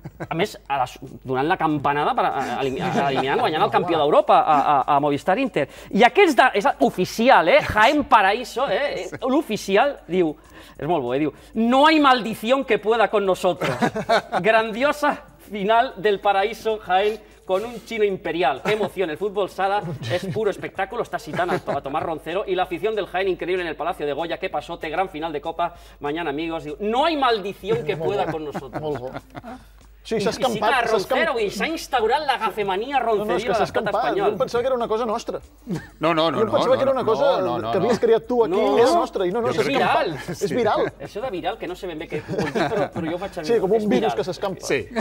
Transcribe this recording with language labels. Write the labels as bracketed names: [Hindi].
[Catalan] A més, donant la campanada per eliminar, guanyant el campió d'Europa a Movistar Inter. I aquests, és oficial, Jaén Paraíso, l'oficial, diu, és molt bo, diu, [Spanish] no hay maldición que pueda con nosotros. Grandiosa final del Paraíso, Jaén, con un chino imperial. Qué emoción, el fútbol sala es puro espectáculo, está citando a Tomás Roncero, y la afición del Jaén increíble en el Palacio de Goya, qué pasote, gran final de Copa, mañana, amigos. No hay maldición que pueda con nosotros. [Catalan] Sí, s'ha escampat. I cita a Roncero, i s'ha instaurat la gafemania roncerio de l'estat espanyol. Jo em pensava que era una cosa nostra. No, no, no. Jo em pensava que era una cosa que havies creat tu aquí, i és nostra. No, no, és viral. És viral. Això de viral, que no sé ben bé què vol dir, però jo faig a mi. Sí, com un virus que s'escampa. Sí,